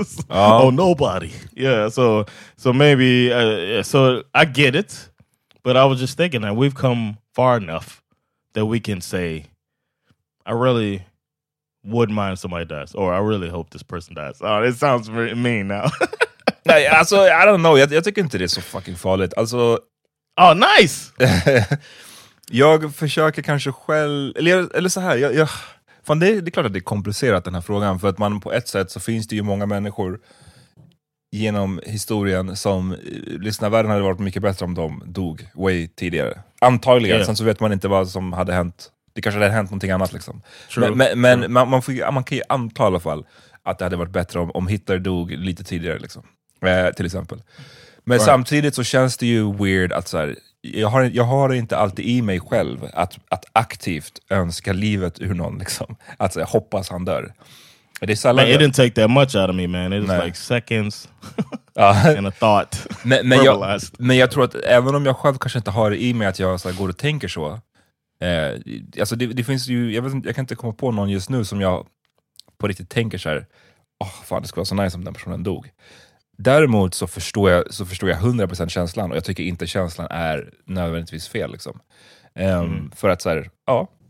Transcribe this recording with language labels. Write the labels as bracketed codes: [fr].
[en] Oh, nobody. Yeah, so maybe so I get it, but I was just thinking that we've come far enough that we can say, I really wouldn't mind if somebody dies, or I really hope this person dies. Oh, it sounds mean now. [sv] Nej, alltså, [en] I don't know. [sv] Jag tycker inte det är så fucking farligt. Alltså... [en] Oh, nice! [sv] Jag försöker kanske själv... Eller så här, jag... Fan, det är klart att det är komplicerat den här frågan. För att man på ett sätt så finns det ju många människor genom historien som... Lyssna, världen hade varit mycket bättre om de dog way tidigare. Antagligen, yeah. Sen så vet man inte vad som hade hänt. Det kanske hade hänt någonting annat liksom. True. Men true. Man kan ju anta i alla fall att det hade varit bättre om Hitler dog lite tidigare liksom. Till exempel. Men right. Samtidigt så känns det ju weird att så här... Jag har inte alltid i mig själv att aktivt önska livet ur någon liksom. Alltså jag hoppas han dör. Det är sällan. [en] It didn't take that much out of me, man. It was like seconds and a thought. [sv] Men jag tror att även om jag själv kanske inte har det i mig att jag så här, går och tänker så. Alltså det finns ju, jag vet inte, jag kan inte komma på någon just nu som jag på riktigt tänker så här. Åh, fan, det skulle vara så nice om den personen dog. Däremot så förstår jag 100% känslan, och jag tycker inte känslan är nödvändigtvis fel liksom. För att så här, ja.